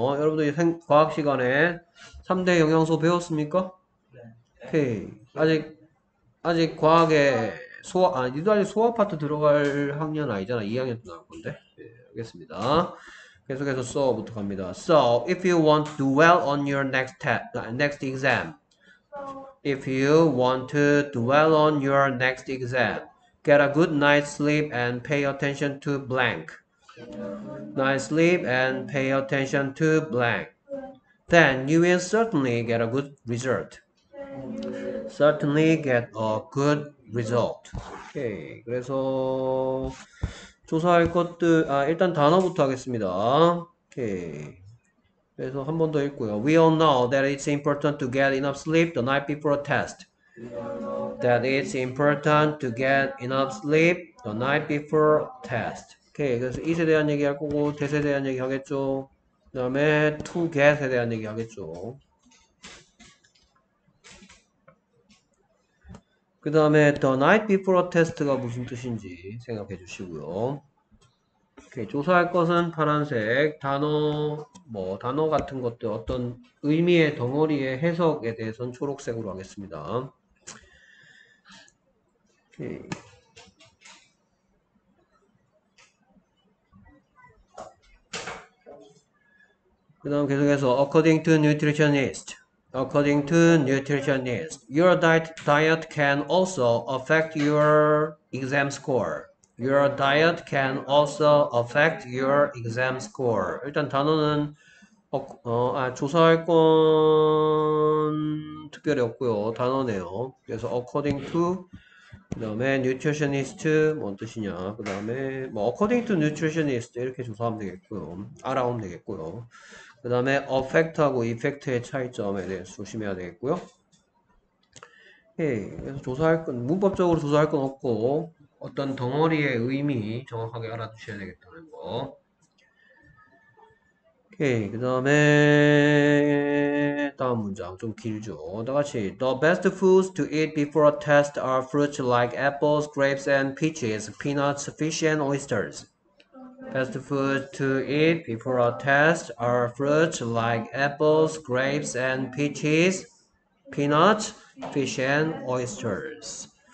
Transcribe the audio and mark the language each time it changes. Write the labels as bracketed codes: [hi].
[ko] 여러분들 과학 시간에 3대 영양소 배웠습니까? 오케이. Okay, 아직 과학에 니도 아직 소화 파트 들어갈 학년 아니잖아. 2학년도 나올 건데. 네, 알겠습니다. 계속해서 so부터 갑니다. [en] So, if you want to do well on your next exam, if you want to dwell on your next exam, get a good night's sleep and pay attention to blank. Night's sleep and pay attention to blank. Then you will certainly get a good result. Certainly get a good result. Okay. [ko] 그래서 조사할 것들, 일단 단어부터 하겠습니다. Okay. 그래서 한번더 읽고요. [en] We all know that it's important to get enough sleep the night before a test. That it's important to get enough sleep the night before test. [ko] Okay. 그래서 it에 대한 얘기 할 거고, that에 대한 얘기 하겠죠. 그 다음에 to get에 대한 얘기 하겠죠. 그 다음에 [en] the night before a test [ko] 가 무슨 뜻인지 생각해 주시고요. 오케이, 조사할 것은 파란색, 단어, 뭐, 단어 같은 것들, 어떤 의미의 덩어리의 해석에 대해서는 초록색으로 하겠습니다. 오케이. 그 다음 계속해서, [en] according to nutritionist. According to nutritionist, your diet can also affect your exam score. Your diet can also affect your exam score. [ko] 일단 단어는 조사할 건 특별히 없고요. 단어네요. 그래서 according to 그다음에 nutritionist 뭔 뜻이냐? 그다음에 뭐 [en] according to nutritionist [ko] 이렇게 조사하면 되겠고요. 알아오면 되겠고요. 그다음에 affect하고 effect의 차이점에 대해서 조심해야 되겠고요. 예, 그래서 조사할 건 문법적으로 조사할 건 없고. 어떤 덩어리의 의미 정확하게 알아두셔야 되겠다는 거. 오케이, 그 다음에 다음 문장 좀 길죠. 다 같이 [en] The best foods to eat before a test are fruits like apples, grapes, and peaches, peanuts, fish, and oysters. Best foods to eat before a test are fruits like apples, grapes, and peaches, peanuts, fish, and oysters.